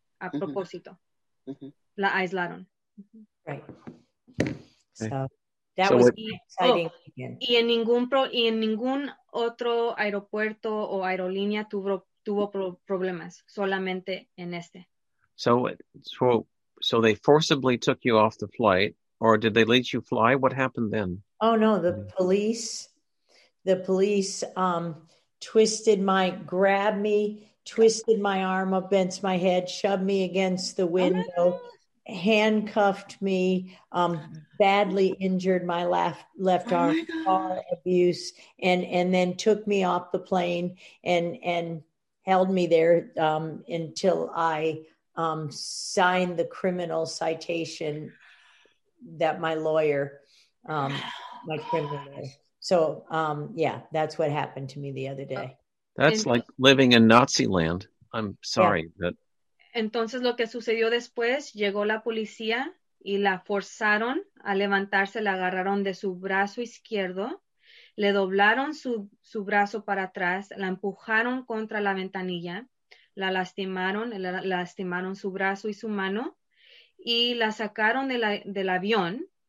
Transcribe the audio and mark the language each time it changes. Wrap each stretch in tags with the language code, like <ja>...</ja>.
<es>A propósito. Mm-hmm. Mm-hmm. La aislaron.</es> <en>Right. Okay. So that was exciting.</en> <es>Oh, y en ningún otro aeropuerto o aerolínea tuvo problemas, solamente en este.</es> <en>So they forcibly took you off the flight, or did they let you fly? What happened then? Oh no, the police twisted my arm up against my head, shoved me against the window, handcuffed me, badly injured my left arm, car abuse, and then took me off the plane and held me there until I signed the criminal citation that my lawyer, my criminal lawyer. So yeah, that's what happened to me the other day. That's like living in Nazi land. I'm sorry, but</en> <es>entonces lo que sucedió después, llegó la policía y la forzaron a levantarse, la agarraron de su brazo izquierdo, le doblaron su brazo para atrás, la empujaron contra la ventanilla, la lastimaron su brazo y su mano, y la sacaron del avión,</es>